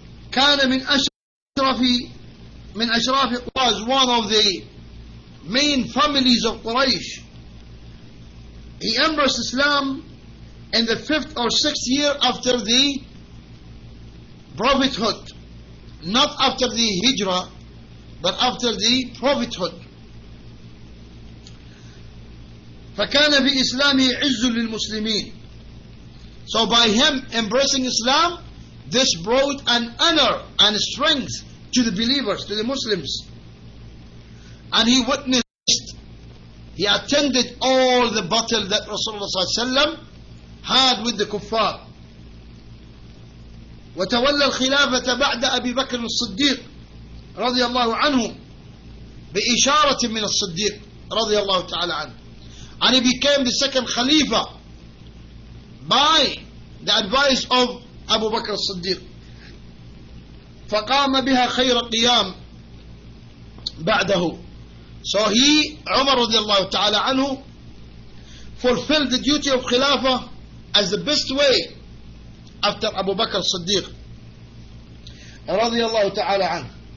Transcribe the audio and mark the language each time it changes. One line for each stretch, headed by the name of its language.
Arabic: كان من أشرافي, من أشرافي,
English: was one of the main families of Quraysh. He embraced Islam in the 5th or 6th year after the prophethood, not after the hijrah, but after the prophethood.
Arabic: فكان بإسلامه عز للمسلمين.
English: So by him embracing Islam, this brought an honor and strength to the believers, to the Muslims. And he witnessed, he attended all the battle that Rasulullah ﷺ had with the kuffar.
Arabic: وتولى الخلافة بعد أبي بكر الصديق رضي الله عنه بإشارة من الصديق رضي الله تعالى عنه.
English: And he became the second Khalifa by the advice of Abu Bakr الصديق.
Arabic: فقام بها خير قيام بعده.
English: So he, Umar radiallahu ta'ala anhu, fulfilled the duty of Khilafah as the best way after Abu Bakr Siddiq radiallahu ta'ala anhu.